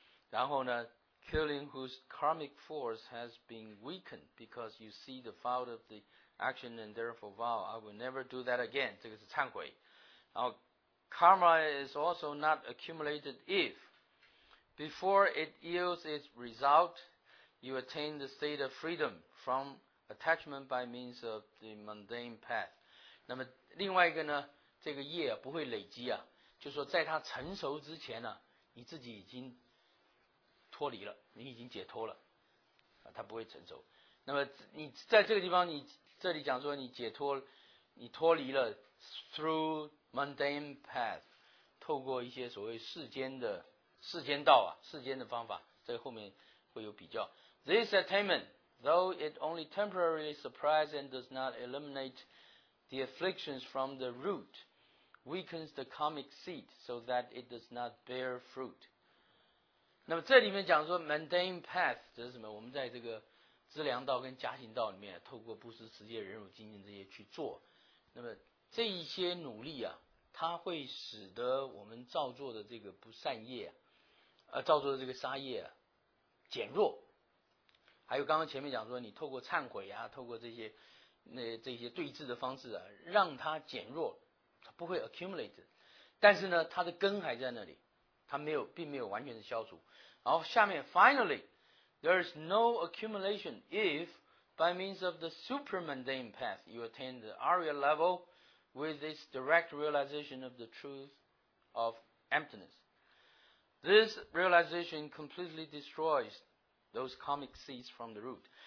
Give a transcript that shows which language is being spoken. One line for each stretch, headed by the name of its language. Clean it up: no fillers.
Chinese: 然后呢，
English: killing whose karmic force has been weakened because you see the fault of theaction and therefore vow I will never do that again，
Chinese: 这个是忏悔。然后
English: karma is also not accumulated if before it yields its result you attain the state of freedom from attachment by means of the mundane path。
Chinese: 那么另外一个呢，这个业不会累积啊，就是说在它成熟之前呢，你自己已经脱离了，你已经解脱了，它不会成熟。那么你在这个地方，你这里讲说你解脱，你脱离了
English: through mundane path，
Chinese: 透过一些所谓世间道啊，世间的方法，这个后面会有比较。
English: This attainment, though it only temporarily suppresses and does not eliminate the afflictions from the root, weakens the karmic seed so that it does not bear fruit。
Chinese: 那么这里面讲说 mundane path 这是什么？我们在这个资粮道跟家行道里面，透过布施、持戒、忍辱、精进这些去做，那么这一些努力啊，它它会使得我们造作的这个不善业，造作的这个杀业减弱。还有刚刚前面讲说，你透过忏悔啊，透过这些那这些对治的方式啊，让它减弱，它不会 accumulate， 但是呢，它的根还在那里，它没有并没有完全的消除。然后下面
English: finally there is no accumulation if by means of the supermundane path you attain the Arya level with this direct realization of the truth of emptiness. This realization completely destroys those karmic seeds from the root.